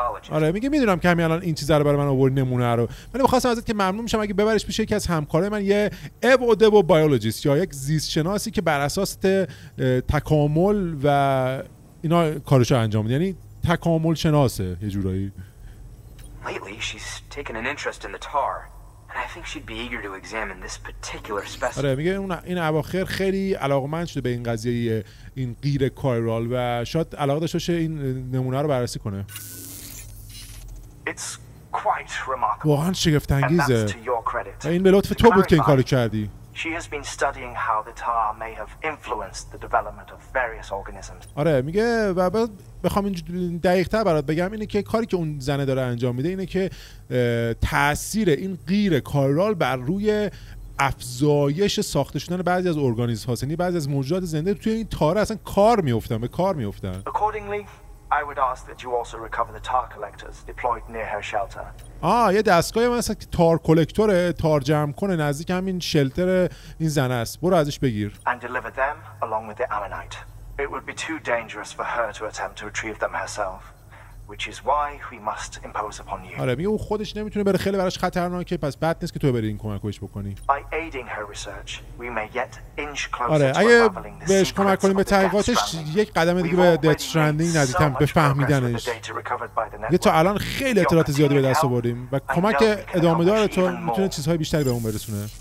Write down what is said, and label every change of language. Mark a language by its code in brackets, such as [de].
[fa] آره میگه میدونم که همین الان این چیزا رو برای من آورد نمونه رو ولی می‌خواستم ازت که ممنون میشم اگه ببرش پیش یکی از همکارای من یه اِو دِو بیولوژیست یا یک زیست شناسی که بر اساس تکامل و اینا کارشو انجام میده یعنی تکامل شناسه یه جورایی [en] Lately she's taken an interest in the tar and I think she'd be eager to examine this particular specimen. [fa] آره میگه اون این اواخر خیلی علاقمند شده به این قضیه این قیر کایرال و شاید علاقه داشته باشه این نمونه رو بررسی کنه. [en] It's quite remarkable. [fa] واقعاً شگفت انگیزه. این به لطف تو بود که این کارو کردی. [en] She has been studying how the tar may have influenced the development of various organisms. [fa] آره میگه و بخوام اینجوری دقیق‌تر برات بگم اینه که کاری که اون زنه داره انجام میده اینه که تأثیر این قیر کایرال بر روی افزایش ساخته شدن بعضی از ارگانیسم‌ها یعنی بعضی از موجودات زنده توی این تار اصلا کار می‌افتن به کار می‌افتن. [en] Accordingly, I would ask that you also recover the tar collectors deployed near her shelter. [fa] آه یه دستگاهی هم هست که تار کلکتوره تار جمع کنه نزدیک همین شلتر این زنه است برو ازش بگیر [en] and deliver them along with the ammonite. It would be too dangerous for her to attempt to retrieve them herself, which is why we must impose upon you. [fa] آره میگه اون خودش نمیتونه بره خیلی براش خطرناکه پس بد نیست که تو بری این کمکش بکنی. [en] By aiding her research, we may yet inch closer [fa] آره اگه بهش کمک کنیم به تحقیقاتش یک قدم دیگه به دت استرندینگ نزدیکم به فهمیدنش. یه تا الان خیلی اطلاعات زیادی به دست آوردیم و کمک ادامه دار تو میتونه چیزهای بیشتری به اون برسونه.